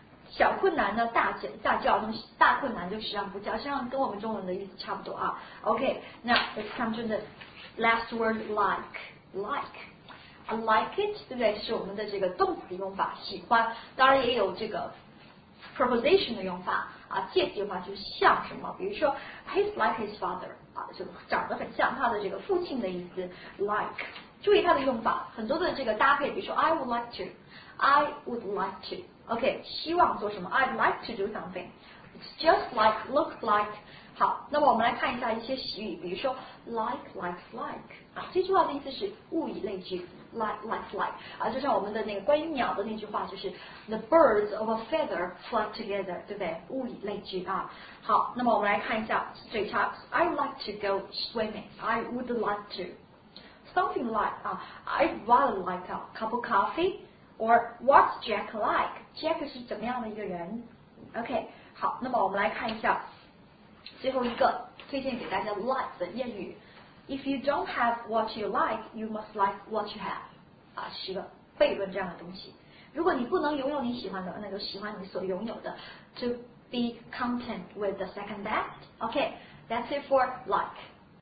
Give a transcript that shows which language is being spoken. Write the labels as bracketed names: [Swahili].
[Chinese] 小困难呢，大叫，大困难就时常不叫，像跟我们中文的意思差不多啊。 [English] Okay, now let's come to the last word, like. I like it, [Chinese] 对不对？是我们的这个动词的用法，喜欢。当然也有这个 preposition 的用法啊，介词用法就是像什么，比如说 [English] he's like his father [Chinese] 啊，就长得很像他的这个父亲的意思。 Like， 注意它的用法，很多的这个搭配，比如说 I would like to， OK， 希望做什么 ？ [English] I'd like to do something。 It's just like, look like。 [Chinese] 好，那么我们来看一下一些习语，比如说 like 啊，最重要的意思是物以类聚。 Like 啊，就像我们的那个关于鸟的那句话，就是 [English] the birds of a feather flock together， [Chinese] 对不对？物以类聚啊。好，那么我们来看一下嘴唇。 [English] I would like to go swimming. I would like to something like 啊。 I'd rather like a cup of coffee. Or what's Jack like? [Chinese] Jack 是怎么样的一个人 ？OK， 好，那么我们来看一下最后一个推荐给大家 like 的谚语。 [English] If you don't have what you like, you must like what you have. [Chinese] 啊，是个悖论这样的东西。如果你不能拥有你喜欢的，那就喜欢你所拥有的。 [English] To be content with the second best. Okay, that's it for like.